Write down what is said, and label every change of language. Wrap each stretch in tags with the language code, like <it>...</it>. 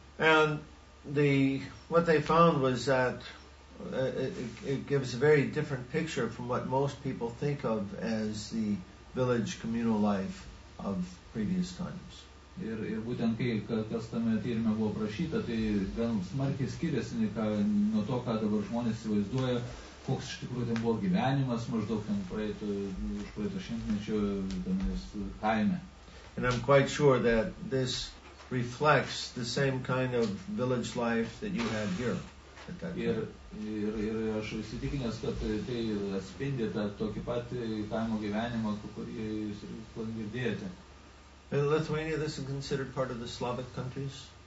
<en>And what they found was that it gives a very different picture from what most people think of as the village communal life of previous times.</en> <lt>Ir būtent kai kas tame tyrime buvo prašyta, tai gan smarkiai skiriasi nuo to, ką dabar žmonės įsivaizduoja, koks iš tikrųjų ten buvo gyvenimas maždaug ten praeito šimtmečio kaime.</lt> <en>And I'm quite sure that this reflects the same kind of village life that you had here.</en> <lt>Ir aš įsitikinęs, kad tai atspindė tą tokį pat kaimo gyvenimą, kurį jūs ir girdėjote.</lt> <en>In Lithuania, this is considered part of the Slavic countries?</en>